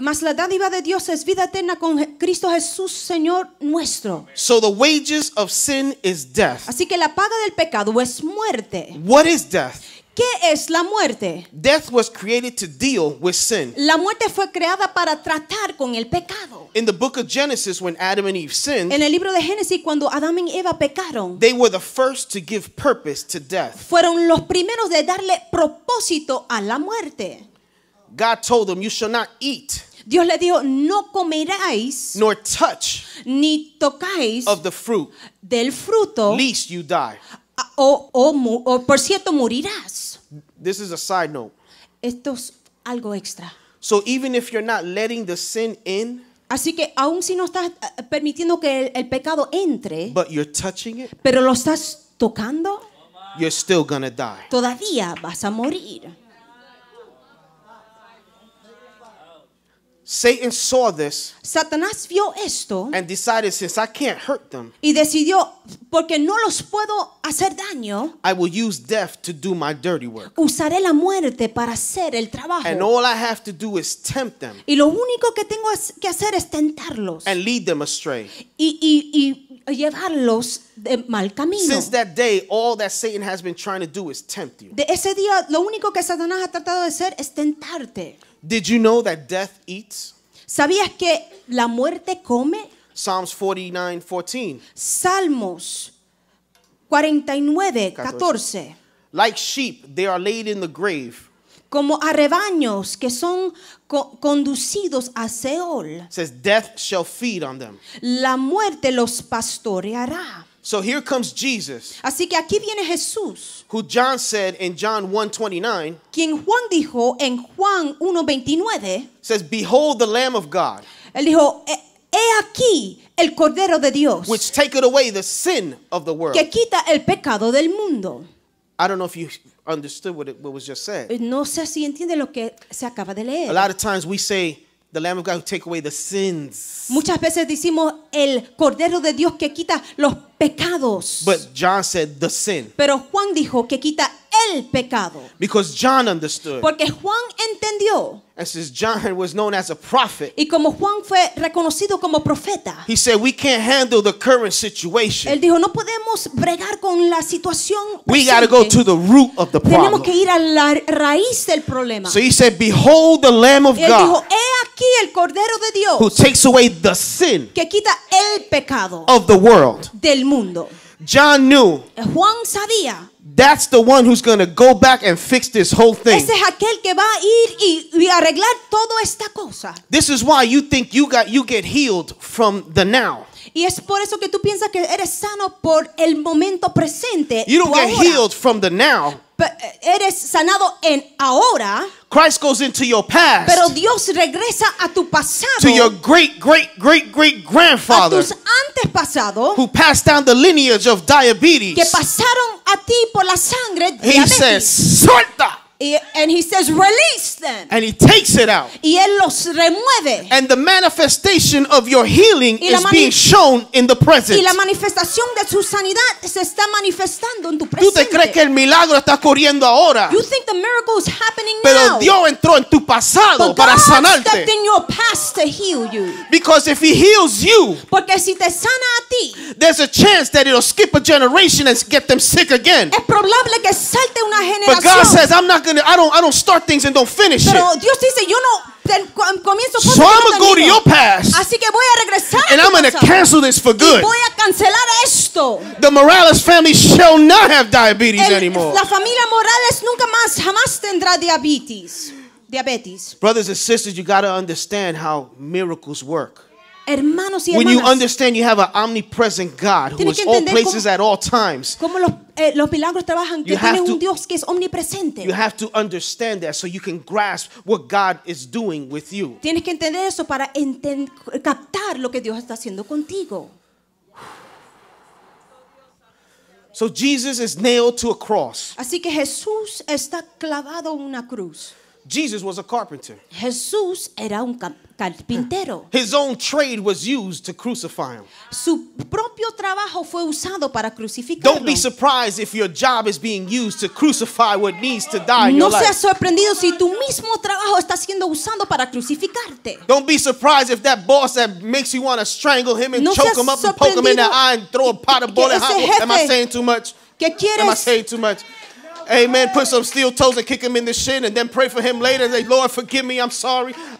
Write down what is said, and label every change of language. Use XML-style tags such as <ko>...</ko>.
<es>Mas la dádiva de Dios es vida eterna con Cristo Jesús Señor nuestro.</es> <en>So the wages of sin is death.</en> <es>Así que la paga del pecado es muerte.</es> <en>What is death?</en> <es>¿Qué es la muerte?</es> <en>Death was created to deal with sin.</en> <es>La muerte fue creada para tratar con el pecado.</es> <en>In the book of Genesis, when Adam and Eve sinned,</en> <es>en el libro de Génesis, cuando Adam y Eva pecaron,</es> <en>they were the first to give purpose to death.</en> <es>Fueron los primeros de darle propósito a la muerte.</es> <en>God told them, "You shall not eat."</en> <es>Dios le dijo, no comeráis</es> <en>nor touch</en> <es>ni tocáis</es> <en>of the fruit</en> <es>del fruto,</es> <en>lest you die.</en> <es>O por cierto morirás.</es> <en>This is a side note.</en> <es>Esto es algo extra.</es> <en>So even if you're not letting the sin in,</en> <es>así que aun si no estás permitiendo que el pecado entre,</es> <en>but you're touching it,</en> <es>pero lo estás tocando,</es> <en>you're still gonna die.</en> <es>Todavía vas a morir.</es> <en>Satan saw this.</en> <es>Satanás vio esto.</es> <en>And decided, since I can't hurt them,</en> <es>y decidió, porque no los puedo hacer daño,</es> <en>I will use death to do my dirty work.</en> <es>Usaré la muerte para hacer el trabajo.</es> <en>And all I have to do is tempt them.</en> <es>Y lo único que tengo que hacer es tentarlos.</es> <en>And lead them astray.</en> <es>Y llevarlos de mal camino.</es> <en>Since that day, all that Satan has been trying to do is tempt you.</en> <es>De ese día, lo único que Satanás ha tratado de hacer es tentarte.</es> <en>Did you know that death eats?</en> <es>¿Sabías que la muerte come?</es> <en>Psalms 49:14.</en> <es>Salmos 49, 14.</es> <en>Like sheep, they are laid in the grave.</en> <es>Como a rebaños que son conducidos a Seol.</es> <en>Says death shall feed on them.</en> <es>La muerte los pastoreará.</es> <en>So here comes Jesus.</en> <es>Así que aquí viene Jesús.</es> <en>Who John said in John 1:29.</en> <es>Quien Juan dijo en Juan 1:29.</es> <en>Says, "Behold the Lamb of God."</en> <es>Él dijo, he aquí el Cordero de Dios.</es> <en>Which taketh away the sin of the world.</en> <es>Que quita el pecado del mundo.</es> <en>I don't know if you understood what was just said.</en> <es>No sé si entiende lo que se acaba de leer.</es> <en>A lot of times we say, the Lamb of God who take away the sins.</en> <es>Muchas veces decimos el Cordero de Dios que quita los pecados.</es> <en>But John said the sin.</en> <es>Pero Juan dijo que quita el pecado.</es> <en>Because John understood.</en> <es>Porque Juan entendió.</es> <en>And since John was known as a prophet.</en> <es>Y como Juan fue reconocido como profeta.</es> <en>He said we can't handle the current situation.</en> <es>Él dijo no podemos bregar con la situación presente.</es> <en>We gotta go to the root of the problem.</en> <es>Tenemos que ir a la raíz del problema.</es> <en>So he said, "Behold the Lamb of God."</en> <es>Él dijo, he aquí el Cordero de Dios.</es> <en>Who takes away the sin.</en> <es>Que quita el pecado.</es> <en>Of the world.</en> <es>Del mundo.</es> <en>John knew.</en> <es>Juan sabía.</es> <en>That's the one who's going to go back and fix this whole thing.</en> <es>Ese es aquel que va a ir y arreglar toda esta cosa.</es> <en>This is why you think you get healed from the now.</en> <es>Y es por eso que tú piensas que eres sano por el momento presente.</es> <en>You don't get</en> <es>ahora.</es> <en>Healed from the now. But</en> <es>eres sanado en ahora.</es> <en>Christ goes into your past.</en> <es>Pero Dios regresa a tu pasado.</es> <en>To your great, great, great, great grandfather.</en> <es>A tus antepasados.</es> <en>Who passed down the lineage of diabetes.</en> <es>Que pasaron a ti por la sangre</es> <en>diabetes. He says,</en> <es>suelta.</es> <en>And he says, release them. And he takes it out.</en> <es>Y él los remueve.</es> <en>And the manifestation of your healing is being shown in the presence.</en> <es>Y la manifestación de su sanidad se está manifestando en tu presente. ¿Tú te crees que el milagro está ocurriendo ahora?</es> <en>You think the miracle is happening now?</en> <es>Pero Dios entró en tu pasado para sanarte.</es> <en>But God stepped in your past to heal you. Because if he heals you,</en> <es>porque si te sana a ti,</es> <en>there's a chance that it'll skip a generation and get them sick again.</en> <es>Es probable que salte una generación.</es> <en>But God says, I don't start things and don't finish</en> <es>pero</es> <en>it.</en> <es>Pero Dios dice, yo no comienzo cosas.</es> <en>So I'm gonna go to your past.</en> <es>Así que voy a regresar.</es> <en>And a I'm gonna cancel this for good.</en> <es>Y voy a cancelar esto.</es> <en>The Morales family shall not have diabetes anymore.</en> <es>La familia Morales nunca más jamás tendrá diabetes.</es> <en>Brothers and sisters, you gotta understand how miracles work.</en> <es>Hermanos y hermanas,</es> <en>when you understand you have an omnipresent God who is all places at all times,</en> <es>como los milagros trabajan, que tiene un Dios que es omnipresente.</es> <en>You have to understand that so you can grasp what God is doing with you.</en> <es>Tienes que entender eso para captar lo que Dios está haciendo contigo.</es> <en>So Jesus is nailed to a cross.</en> <es>Así que Jesús está clavado en una cruz.</es> <en>Jesus was a carpenter.</en> <es>Jesús era un carpintero.</es> <en>His own trade was used to crucify him.</en> <es>Su propio trabajo fue usado para crucificarlo.</es> <en>Don't be surprised if your job is being used to crucify what needs to die in</en> <es>no</es> <en>your life.</en> <es>No seas sorprendido si tu mismo trabajo está siendo usado para crucificarte.</es> <en>Don't be surprised if that boss that makes you want to strangle him and</en> <es>no</es> <en>choke him up and poke him in the eye and throw a pot of boiling hot water. Am I saying too much? Amen. Put some steel toes and kick him in the shin and then pray for him later. Say, Lord, forgive me. I'm sorry.</en>